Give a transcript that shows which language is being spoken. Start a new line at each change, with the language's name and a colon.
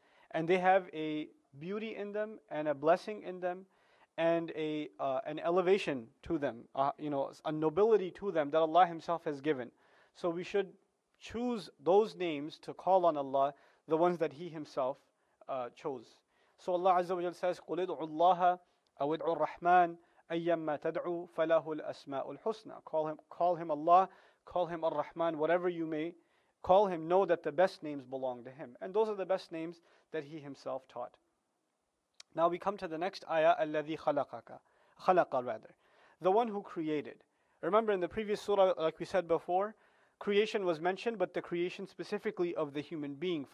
English: And they have a beauty in them, and a blessing in them, and an elevation to them, a nobility to them that Allah Himself has given. So we should choose those names to call on Allah, the ones that He Himself chose.
Arabic: So Allah Azza wa Jalla says, قُلْ اِدْعُوا اللَّهَ أَوْ اِدْعُوا الرَّحْمَنَ أَيَّمَّا تَدْعُوا فَلَهُ الْأَسْمَاءُ الْحُسْنَى.
English: Call him Allah, call him Ar-Rahman, whatever you may call him, know that the best names belong to him. And those are the best names that He Himself taught. Now we come to the next ayah, الَّذِي خَلَقَكَ, خَلَقَ rather, the one who created. Remember in the previous surah, like we said before, creation was mentioned, but the creation specifically of the human being.